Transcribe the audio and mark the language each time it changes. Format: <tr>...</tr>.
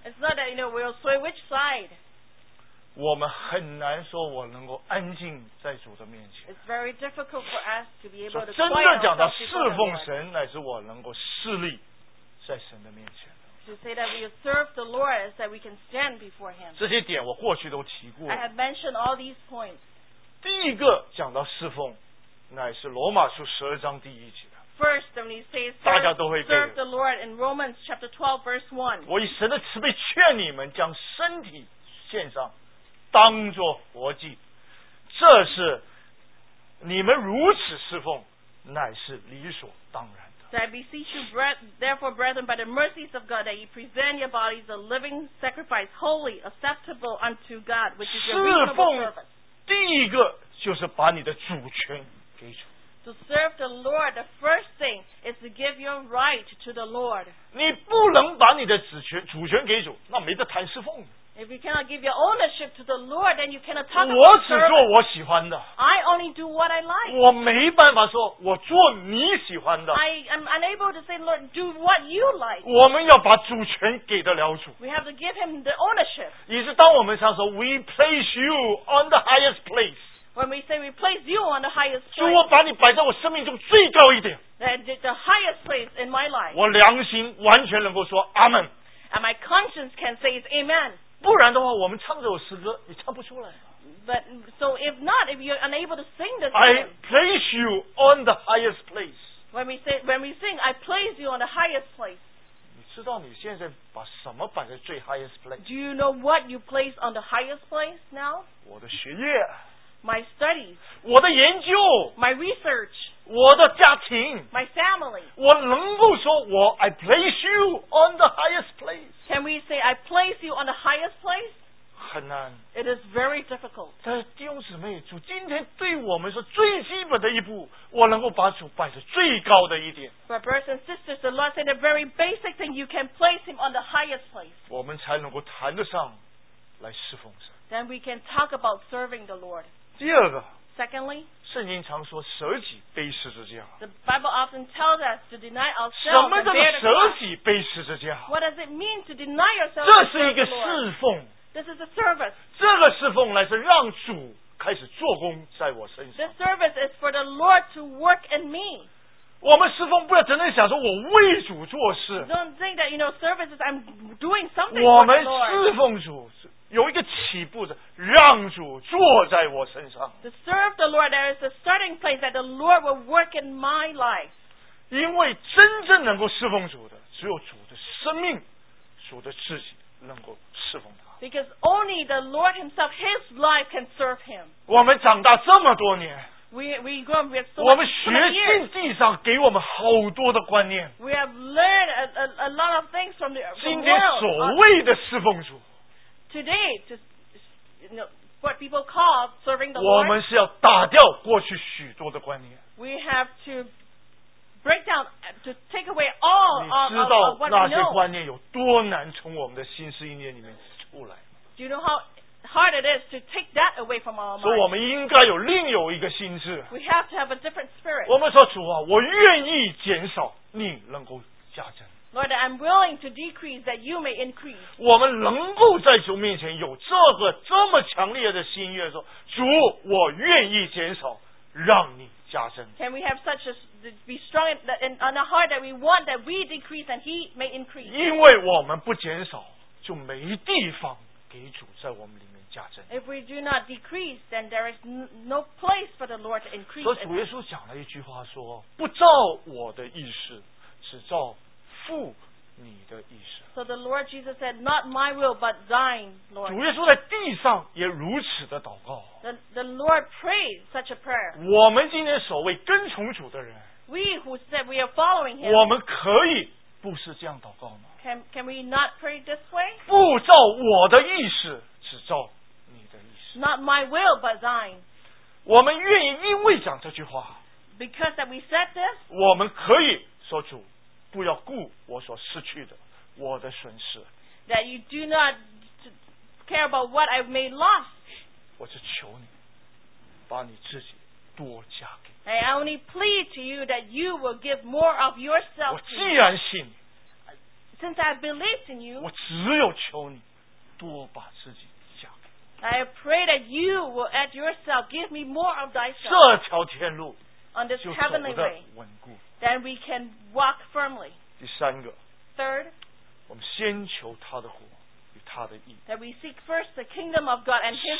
<en>It's not that you know we'll sway which side.</en> <zh>我们很难说我能够安静在主的面前。</zh> <en>It's very difficult for us to be able to.</en> <zh>真的讲到侍奉神，乃是我能够侍立在神的面前。</zh> <en>To say that we serve the Lord is that we can stand before Him.</en> <zh>这些点我过去都提过。</zh> <en>I have mentioned all these points.</en> <zh>第一个讲到侍奉，乃是罗马书十二章第一节。</zh> <en>First, when he says, serve the Lord in Romans chapter 12, verse 1.</en> <zh>我以神的慈悲劝你们将身体献上，当作活祭，这是你们如此侍奉，乃是理所当然。</zh> <en>So I beseech you, therefore, brethren, by the mercies of God, that you present your bodies a living sacrifice, holy, acceptable unto God, which is your reasonable service.</en> <zh>第一个就是把你的主权给主。</zh> <en>To serve the Lord, the first thing is to give your right to the Lord.</en> <zh>你不能把你的主权给主，那没得谈侍奉。</zh> <en>If you cannot give your ownership to the Lord, then you cannot talk about</en> <zh>我只做我喜欢的。</zh> <en>I only do what I like.</en> <zh>我没办法说我做你喜欢的。</zh> <en>I am unable to say, Lord, do what you like.</en> <zh>我们要把主权给得了主。</zh> <en>We have to give him the ownership.</en> <zh>也是当我们常说</zh> <en>we place you on the highest place. When we say we place you on the highest place.</en> <zh>主，我把你摆在我生命中最高一点。</zh> <en>The highest place in my life.</en> <zh>我良心完全能够说阿们。</zh> <en>And my conscience can say is amen.</en> <zh>不然的话，我们唱这首诗歌你唱不出来。</zh> <en>But so if not, if you're unable to sing this, I place you on the highest place. When we sing, I place you on the highest place.</en> <zh>你知道你现在把什么摆在最</zh> <en>highest place? Do you know what you place on the highest place now?</en> <zh>我的学业。</zh> <en>My studies.</en> <zh>我的研究。</zh> <en>My research.</en> <zh>我的家庭。</zh> <en>My family.</en> <zh>我能够说我</zh> <en>I place you on the highest place. Can we say, I place you on the highest place?</en> <zh>很难。</zh> <en>It is very difficult.</en> <zh>但是弟兄姊妹，主今天对我们说最基本的一步，我能够把主摆在最高的一点。</zh> <en>But brothers and sisters, the Lord said the very basic thing, you can place him on the highest place.</en> <zh>我们才能够谈得上来侍奉神。</zh> <en>Then we can talk about serving the Lord.</en> <zh>第二个。</zh> <en>Secondly,</en> <zh>圣经常说舍己背十字架。</zh> <en>The Bible often tells us to deny ourselves and bear the cross.</en> <zh>什么叫做舍己背十字架？</zh> <en>What does it mean to deny yourself?</en> <zh>这是一个侍奉。</zh> <en>This is a service.</en> <zh>这个侍奉乃是让主开始做工在我身上。</zh> <en>This service is for the Lord to work in me.</en> <zh>我们侍奉不要整天想说我为主做事。</zh> <en>Don't think that you know service is I'm doing something for the Lord.</en> <zh>我们侍奉主。有一个起步的，让主坐在我身上。</zh> <en>To serve the Lord, there is a starting place that the Lord will work in my life.</en> <zh>因为真正能够侍奉主的，只有主的生命，主的自己能够侍奉他。</zh> <en>Because only the Lord Himself, His life can serve Him.</en> <zh>我们长大这么多年。</zh> <en>We grow up, we have so many</en> <zh>我们学习地上给我们好多的观念。</zh> <en>We have learned a lot of things from the world.</en> <zh>今天所谓的侍奉主。</zh> <en>Today, to, you know, what people call serving the Lord,</en> <zh>我们是要打掉过去许多的观念。</zh> <en>We have to break down, to take away all of what we know.</en> <zh>你知道那些观念有多难从我们的心思意念里面出来。</zh> <en>Do you know how hard it is to take that away from our mind?</en> <zh>所以我们应该有另有一个心智。</zh> <en>We have to have a different spirit.</en> <zh>我们说主啊，我愿意减少，你能够加增。</zh> <en>Lord, I'm willing to decrease that you may increase.</en> <zh>我们能够在主面前有这个这么强烈的心愿说主我愿意减少让你加增。</zh> <en>Can we have such a be strong in our heart that we want that we decrease and he may increase?</en> <zh>因为我们不减少就没地方给主在我们里面加增。</zh> <en>If we do not decrease, then there is no place for the Lord to increase.</en> <zh>所以主耶稣讲了一句话说不照我的意思只照父你的意思。</zh> <en>So the Lord Jesus said, not my will, but thine, Lord.</en> <zh>主耶稣在地上也如此的祷告。</zh> <en>The Lord prayed such a prayer.</en> <zh>我们今天所谓跟从主的人。</zh> <en>We who said we are following him.</en> <zh>我们可以不是这样祷告吗？</zh> <en>Can we not pray this way?</en> <zh>不照我的意思，只照你的意思。</zh> <en>Not my will, but thine.</en> <zh>我们愿意因为讲这句话。</zh> <en>Because that we said this.</en> <zh>我们可以说主。不要顾我所失去的，我的损失。</zh> <en>That you do not care about what I may lose.</en> <zh>我只求你，把你自己多加给。</zh> <en>I only plead to you that you will give more of yourself.</en> <zh>我既然信你</zh> <en>，since I believe in you，</en> <zh>我只有求你多把自己加给。</zh> <en>I pray that you will add yourself, give me more of thyself.</en> <zh>这条天路</zh> <en>on this heavenly way</en> <zh>稳固。</zh> <en>Then we can walk firmly.</en> <zh>第三个</zh> <en>Third,</en> <zh>我们先求他的国与他的义。 That we seek first the kingdom of God and His</zh>